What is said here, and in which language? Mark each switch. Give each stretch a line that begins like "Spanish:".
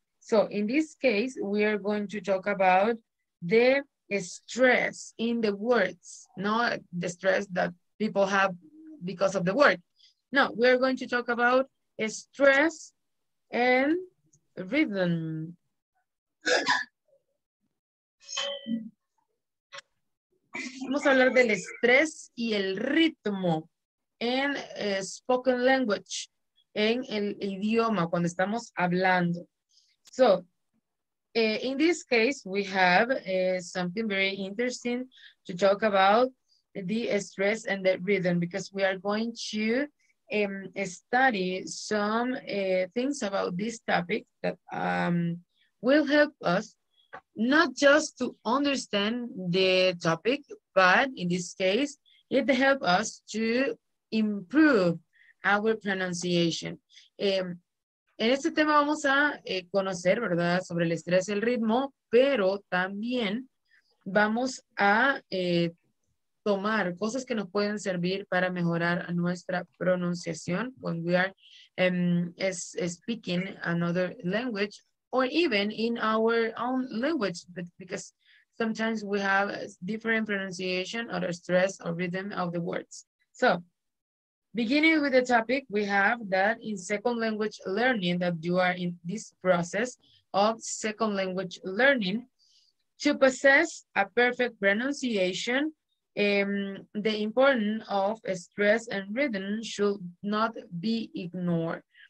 English: So in this case, we are going to talk about the stress in the words, not the stress that people have because of the word. No, we're going to talk about a stress and rhythm.
Spanish: Vamos a hablar del estrés y el ritmo en
English: spoken language,
Spanish: en el idioma, cuando estamos hablando.
English: So, in this case, we have something very interesting to talk about, the stress and the rhythm, because we are going to study some things about this topic that will help us not just to understand the topic, but in this case, it helps us to improve our pronunciation.
Spanish: En este tema vamos a conocer, ¿verdad?, sobre el estrés y el ritmo, pero también vamos a tomar cosas que nos pueden servir para mejorar nuestra pronunciación
English: when we are speaking another language or even in our own language, but because sometimes we have different pronunciation or a stress or rhythm of the words. So, beginning with the topic, we have that in second language learning, that you are in this process of second language learning, to possess a perfect pronunciation, the importance of stress and rhythm should not be ignored.